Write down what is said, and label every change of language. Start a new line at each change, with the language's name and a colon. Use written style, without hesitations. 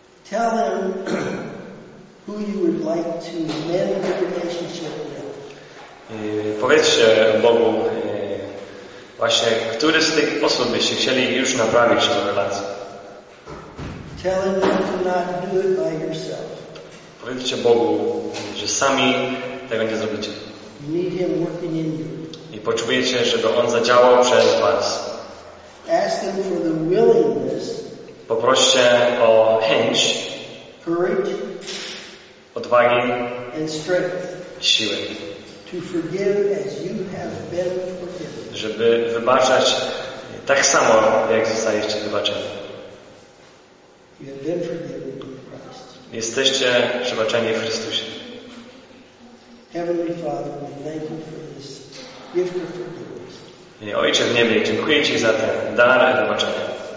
English: Tell them who you would like to mend the relationship with.
Polish: Powiedzcie Bogu właśnie, który z tych osób byście chcieli już naprawić tę relację.
English: Tell them you cannot do it by yourself.
Polish: Powiedzcie Bogu, że sami tego nie zrobicie.
English: You need him working in you.
Polish: I potrzebujecie, żeby On zadziałał przez Was.
English: Ask him for the willingness.
Polish: Poproście o chęć,
English: courage,
Polish: odwagi
English: and strength,
Polish: siły,
English: to forgive as you have been forgiven.
Polish: Żeby wybaczać tak samo, jak zostaliście wybaczeni.
English: You have been forgiven in Christ.
Polish: Jesteście przebaczeni w Chrystusie.
English: Heavenly Father, we thank you for this gift of forgiveness.
Polish: Ojcze w niebie, dziękuję Ci za ten dar wybaczenia.